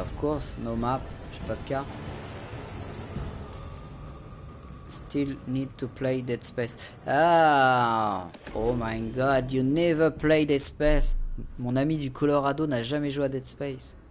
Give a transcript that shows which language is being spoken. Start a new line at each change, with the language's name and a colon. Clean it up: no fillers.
English: Of course, no map,
French: j'ai pas de carte.
English: Still need to play Dead Space. Ah, oh my god, you never play Dead Space.
French: Mon ami du Colorado n'a jamais joué à Dead Space.